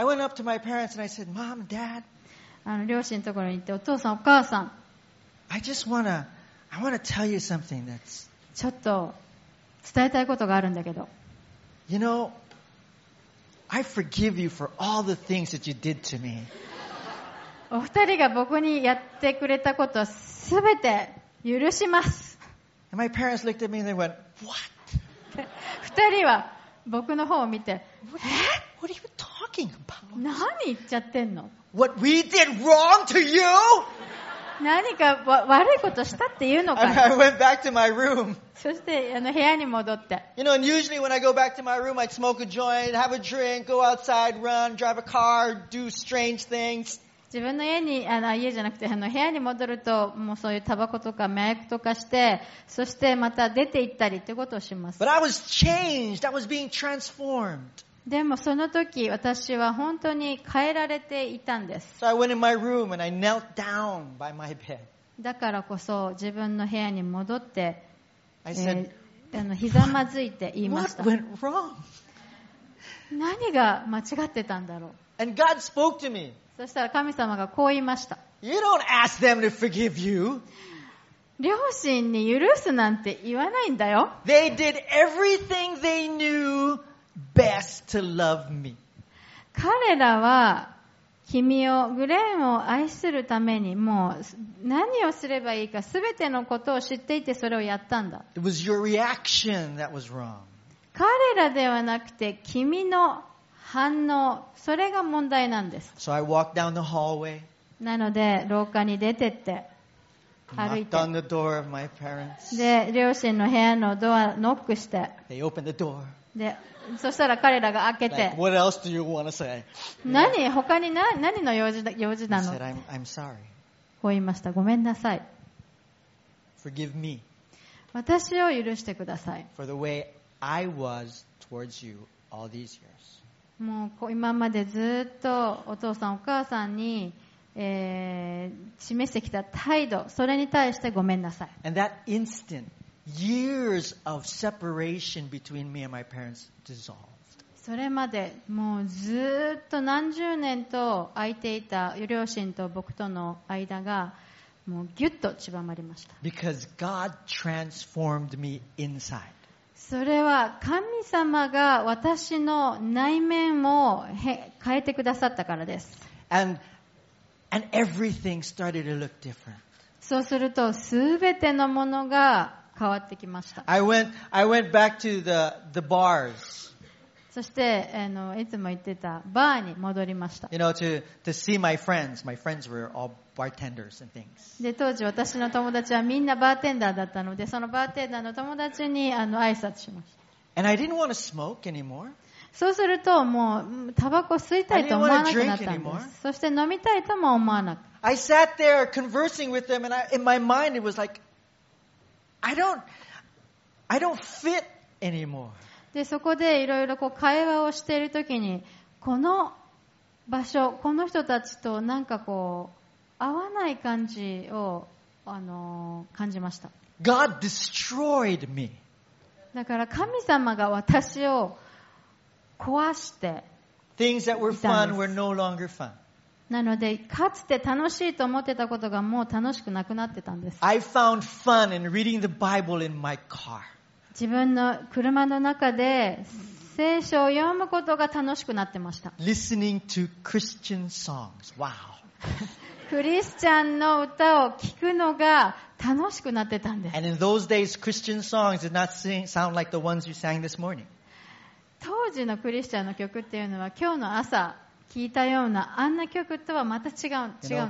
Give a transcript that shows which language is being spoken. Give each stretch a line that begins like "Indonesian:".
English: I went up to my parents and I said, Mom, Dad,
Japanese: 両親のところに行って、お父さん、お母さん、
English: I want to tell you something that's
Japanese: ちょっと伝えたいことがあるんだけど。
English: You know, I forgive you for all the things that you did to me.
Japanese: お二人が僕にやってくれたことすべて許します。
English: And my parents looked at me and they went, "What?"
Japanese: 二人は僕の方を見て、
English: What are you talking about?
Japanese: 何言っちゃってんの
English: ？What we did wrong to you?
Japanese: 何か悪いことしたって言うのか。
English: I went back to my room.
Japanese: そして部屋に戻って。
English: You know, and usually when I go back to my room, I'd smoke a joint, have a drink, go outside, run, drive a car, do strange things.
Japanese: 自分の家に家じゃなくて部屋に戻るともうそういうタバコとか麻薬とかしてそしてまた出て行ったりってことをします。
English: But I was changed. I was being transformed.
Japanese: でもその時私は本当に変えられていたんです。
English: So I went in my room and I knelt down by my bed.
Japanese: だからこそ自分の部屋に戻って、
English: I said,
Japanese: ひざまずいて言いました。
English: What went wrong?
Japanese: 何が間違ってたんだろう。
English: And God spoke to me.
Japanese: そしたら神様がこう言いました。
English: You don't ask them to forgive you.
Japanese: 両親に許すなんて言わないんだよ。
English: They did everything they knew. Best to love me.
Japanese: 彼らは君をグレンを愛するためにもう何をすればいいか全てのことを知っていてそれをやったんだ。
English: It was your reaction that was wrong.
Japanese: 彼らではなくて君の反応それが問題なんです。
English: So I walked down the hallway.
Japanese: なので廊下に出てって歩いて。
English: Knocked on the door of my parents.
Japanese: で両親の部屋のドアノックして。
English: They opened the door.
Japanese: でそしたら彼らが開けて
English: like, what else do you want to say?
Japanese: 何他に 何の用事なの
English: said, I'm sorry.
Japanese: こう言いましたごめんなさい
English: Forgive me.
Japanese: 私を許してください
English: For the way I was towards you all these years.
Japanese: もう今までずっとお父さんお母さんに、示してきた態度それに対してごめんなさい
English: And that instantYears of separation between me and my parents dissolved.
Japanese: それまでもうずっと何十年と空いていた両親と僕との間がもうギュッと縮まりました。
English: Because God transformed me inside.
Japanese: それは神様が私の内面を変えてくださったからです。
English: And everything started to look different.
Japanese: そうすると全てのものが変わってきました。
English: I went back to the bars.
Japanese: そしていつも行ってたバーに戻りました。
English: You know, to see my friends. My friends were all bartenders and things.
Japanese: で当時私の友達はみんなバーテンダーだったのでそのバーテンダーの友達に挨拶しました。
English: And I didn't want to smoke anymore.
Japanese: そうするともうタバコ吸いたいと思わなくなったんです。そして飲みたいとも思わなく。
English: I sat there conversing with them, and in my mind it was like, I don't, I don't fit anymore.
Japanese: で、そこでいろいろこう会話をしているときに、この場所、この人たちとなんかこう、合わない感じを、感じました。
English: God destroyed me.
Japanese: だから神様が私を壊して、
English: things that were fun were no longer fun.
Japanese: なので、かつて楽しいと思ってたことがもう楽しくなくなってたんです。
English: I found fun in reading the Bible in my car.
Japanese: 自分の車の中で聖書を読むことが楽しくなってました。
English: Listening to Christian songs. Wow.
Japanese: クリスチャンの歌を聞くのが楽しくなってたんです。
English: And in those days, Christian songs did not sound like the ones you sang this morning.
Japanese: 当時のクリスチャンの曲っていうのは今日の朝聞いたようなあんな曲とはまた違うんです。